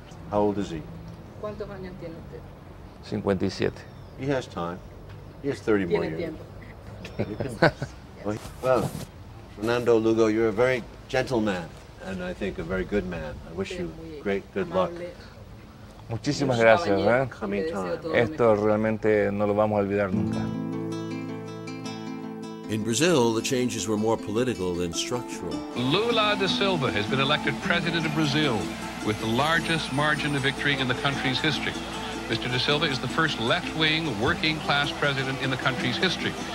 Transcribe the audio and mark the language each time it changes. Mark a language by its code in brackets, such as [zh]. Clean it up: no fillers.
[en] How old is he? [es] ¿Cuántos años tiene usted? 57. [en] He has time. He has 30 [es] ¿Tiene [en] more years. [es] Tiempo. [en] Yes. Well, Fernando Lugo, you're a very gentle man, and I think a very good man. I wish you great good luck. [es] Muchísimas gracias. Esto realmente no lo vamos a olvidar nunca. [en] In Brazil, the changes were more political than structural. Lula da Silva has been elected president of Brazil with the largest margin of victory in the country's history. Mr. da Silva is the first left-wing working-class president in the country's history.